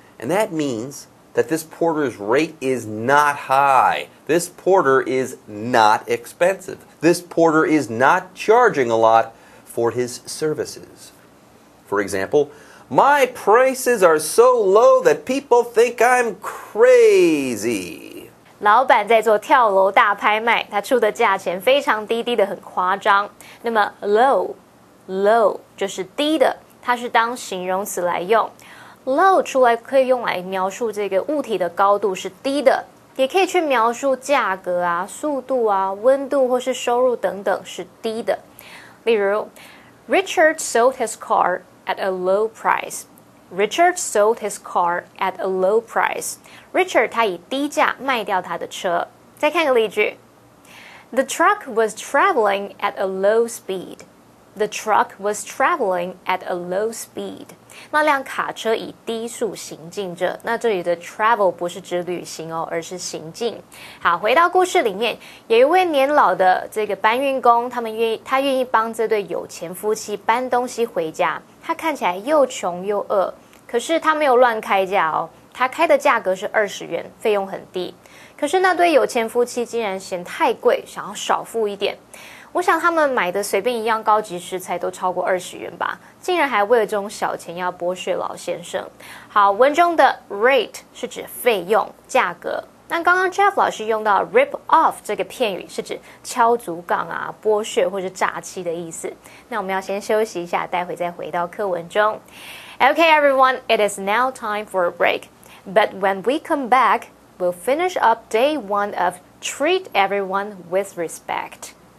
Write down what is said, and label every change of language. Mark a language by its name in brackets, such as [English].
[English] And that means that this porter's rate is not high. This porter is not expensive. This porter is not charging a lot. For his services. For example, my prices are so low that people think I'm crazy. [Chinese] 老板在做跳楼大拍卖，他出的价钱非常低，低的很夸张。那么 low 就是低的，它是当形容词来用。 low 出来可以用来描述这个物体的高度是低的，也可以去描述价格啊、速度啊、温度或是收入等等是低的。例如 [English] ，Richard sold his car at a low price. Richard sold his car at a low price. Richard [Chinese] 他以低价卖掉他的车。再看个例句 [English] ，The truck was traveling at a low speed. The truck was traveling at a low speed. [Chinese] 那辆卡车以低速行进着。那这里的 travel 不是指旅行哦，而是行进。好，回到故事里面，有一位年老的这个搬运工，他愿意帮这对有钱夫妻搬东西回家。他看起来又穷又饿，可是他没有乱开价哦，他开的价格是20元，费用很低。可是那对有钱夫妻竟然嫌太贵，想要少付一点。我想他们买的随便一样高级食材都超过20元吧，竟然还为了这种小钱要剥削老先生。好，文中的 rate 是指费用、价格。那刚刚 Jeff 老师用到 rip off 这个片语是指敲竹杠啊、剥削或者诈欺的意思。那我们要先休息一下，待会再回到课文中。 [English] Okay, everyone, it is now time for a break. But when we come back, we'll finish up day one of Treat Everyone with Respect.